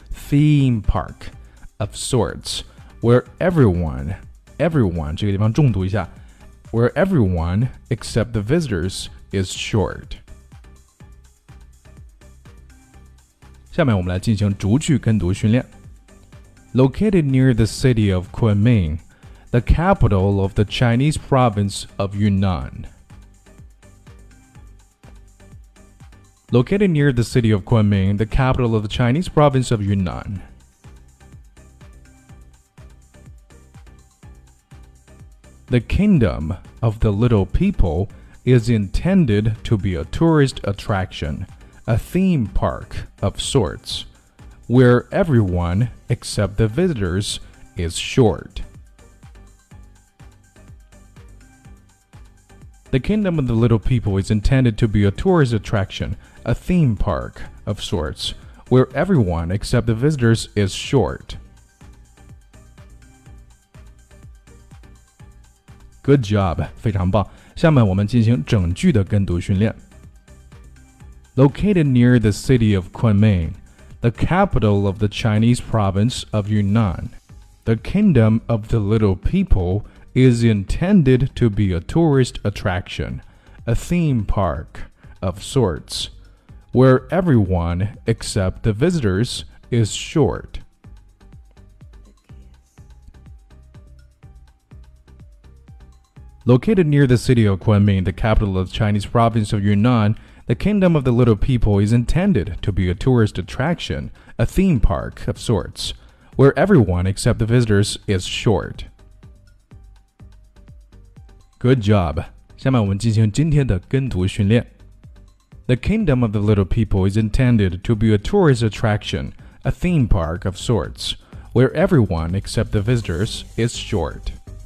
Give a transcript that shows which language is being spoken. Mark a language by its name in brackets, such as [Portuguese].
[English] Theme park, of sorts, where everyone, everyone [Chinese] 这个地方重读一下 [English] where everyone except the visitors is short. [Chinese] 下面我们来进行逐句跟读训练。 [English] Located near the city of Kunming, the capital of the Chinese province of Yunnan. Located near the city of Kunming, the capital of the Chinese province of Yunnan. The kingdom of the little people is intended to be a tourist attraction, a theme park of sorts. Where everyone except the visitors is short. The Kingdom of the Little People is intended to be a tourist attraction, a theme park of sorts, where everyone except the visitors is short. Good job, [Chinese] 非常棒。下面我们进行整句的跟读训练。 [English] Located near the city of Kunming,The capital of the Chinese province of Yunnan. The kingdom of the little people is intended to be a tourist attraction, a theme park of sorts, where everyone except the visitors is short. Located near the city of Kunming, the capital of the Chinese province of Yunnan,The kingdom of the little people is intended to be a tourist attraction, a theme park of sorts, where everyone except the visitors is short. Good job! [Chinese] 下面我们进行今天的跟读训练。 [English] The kingdom of the little people is intended to be a tourist attraction, a theme park of sorts, where everyone except the visitors is short.